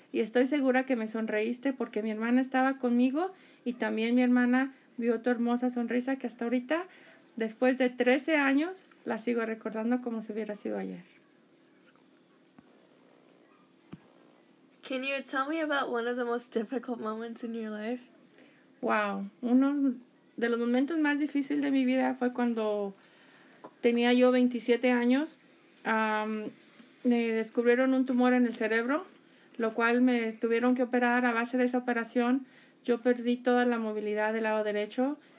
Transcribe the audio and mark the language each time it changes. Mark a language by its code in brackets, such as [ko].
[es] Y estoy segura que me sonreíste porque mi hermana estaba conmigo. Y también mi hermana vio tu hermosa sonrisa que hasta ahorita, después de 13 años, la sigo recordando como si hubiera sido ayer. [en] Can you tell me about one of the most difficult moments in your life? [es] Wow, uno de los momentos más difíciles de mi vida fue cuando tenía yo 27 años. Me descubrieron un tumor en el cerebro, lo cual me tuvieron que operar. A base de esa operación, yo perdí toda la movilidad del lado derecho.